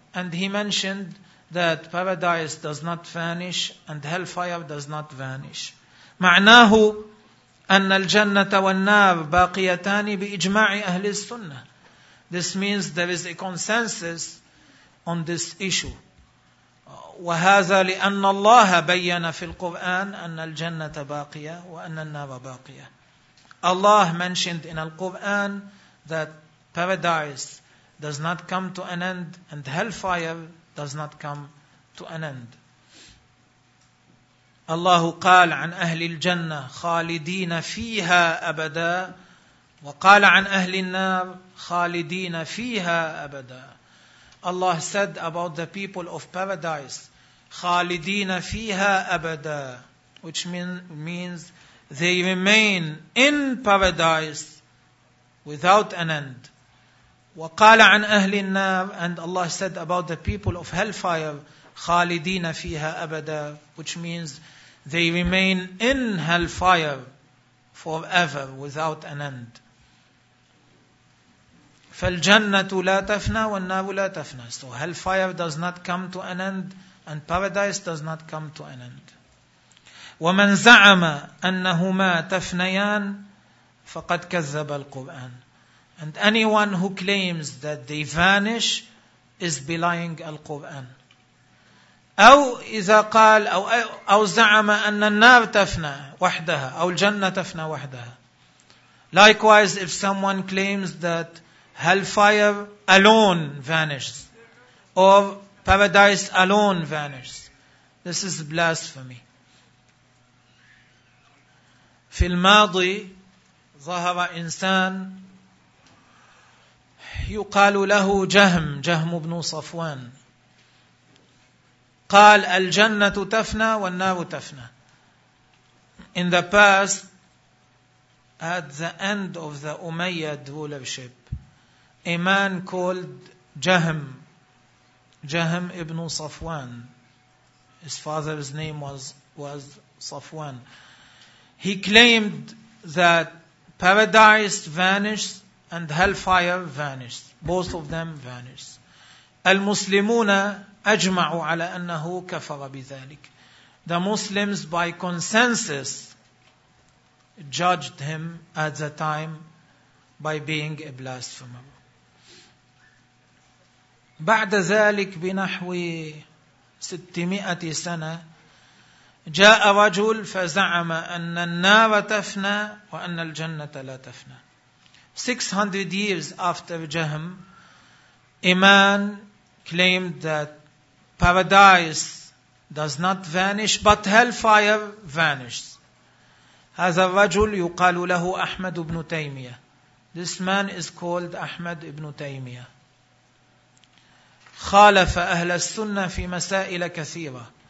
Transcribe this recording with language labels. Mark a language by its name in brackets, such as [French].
[English] And he mentioned that paradise does not vanish and hellfire does not vanish. [Arabic] مَعْنَاهُ أَنَّ الْجَنَّةَ وَالنَّارَ بَاقِيَتَانِ بِإِجْمَاعِ أَهْلِ السُّنَّةِ. [English] This means there is a consensus on this issue. [Arabic] وهذا لأن الله بين في القرآن أن الجنة باقية وأن النار باقية. [English] Allah mentioned in the Quran that paradise does not come to an end and hellfire does not come to an end. [Arabic] الله قال عن أهل الجنة خالدين فيها أبدا وقال عن أهل النار خالدين فيها أبدا. [English] Allah said about the people of paradise, [Arabic] خالدين فيها أبدا, [English] which means they remain in paradise without an end. [Arabic] وقال عن أهل النار, [English] and Allah said about the people of hellfire, [Arabic] خالدين فيها أبدا, [English] which means they remain in hellfire forever without an end. [Arabic] فالجنة لا تفنى والنار لا تفنى. [English] So hellfire does not come to an end and paradise does not come to an end. [Arabic] وَمَنْ زَعَمَ أَنَّهُمَا تَفْنَيَانْ فَقَدْ كَذَّبَ الْقُرْآنِ. [English] And anyone who claims that they vanish is belying Al-Quran. [Arabic] أو إذا قال أو زعم أن النار تفنى وحدها أو الجنة تفنى وحدها. [English] Likewise, if someone claims that hellfire alone vanishes or paradise alone vanishes, this is blasphemy. [Arabic] في الماضي ظهر إنسان يقال له جهم, جهم بن صفوان, قال الجنة تفنى والنار تفنى. [English] In the past, at the end of the Umayyad rulership, a man called Jahm, Jahm ibn Safwan, his father's name was Safwan, he claimed that paradise vanished and hellfire vanished, both of them vanished. [Arabic] المسلمون أجمعوا على أنه كفر بذلك. [English] The Muslims by consensus judged him at the time by being a blasphemer. [Arabic] بعد ذلك بنحو 600 سنة جاء رجل فزعم أن النار تفنى وأن الجنة لا تفنى. [English] 600 years after Jahm, a man claimed that paradise does not vanish but hellfire vanishes. [Arabic] هذا الرجل يقال له أحمد بن تيمية. [English] This man is called أحمد بن تيمية. [Arabic] خالف أهل السنة في مسائل كثيرة.